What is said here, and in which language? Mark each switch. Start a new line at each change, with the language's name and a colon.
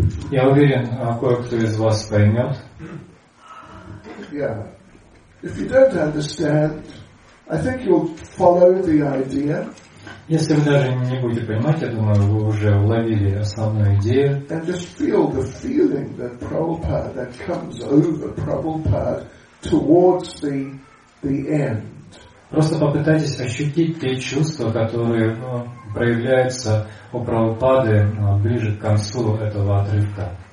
Russian: Я уверен, кое-кто из вас поймет.
English: If you don't understand, I think you'll follow the idea.
Russian: Если вы даже не будете понимать, я думаю, вы уже уловили основную идею.
English: And just feel the feeling that Prabhupada, that comes over Prabhupada towards the end.
Russian: Просто попытайтесь ощутить те чувства, которые проявляются у Прабхупады ближе к концу этого отрывка.